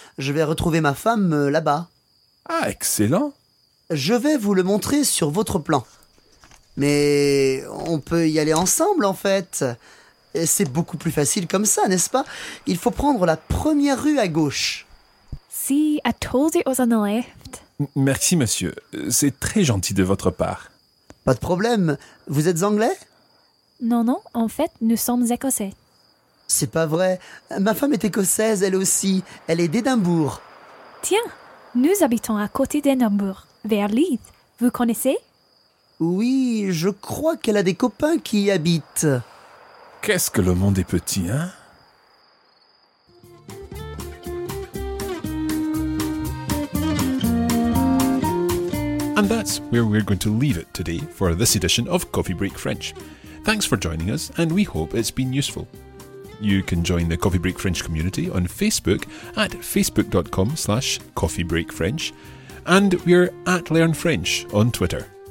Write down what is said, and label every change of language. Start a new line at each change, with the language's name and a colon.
French: Je vais retrouver ma femme là-bas. Ah, excellent! Je vais vous le montrer sur votre plan. Mais on peut y aller ensemble, en fait. Et c'est beaucoup plus facile comme ça, n'est-ce pas? Il faut prendre la première rue à gauche.
English: See, I told you it was on the left.
French: Merci, monsieur. C'est très gentil de votre part. Pas de problème. Vous êtes anglais? Non. En fait, nous sommes écossais. C'est pas vrai. Ma femme est écossaise, elle aussi. Elle est d'Édimbourg. Tiens, nous habitons à côté d'Édimbourg, vers Leeds. Vous connaissez? Oui, je crois qu'elle a des copains qui y habitent. Qu'est-ce que le monde est petit, hein?
English: And that's where we're going to leave it today for this edition of Coffee Break French. Thanks for joining us, and we hope it's been useful. You can join the Coffee Break French community on Facebook at facebook.com/coffeebreakfrench, and we're at Learn French on Twitter.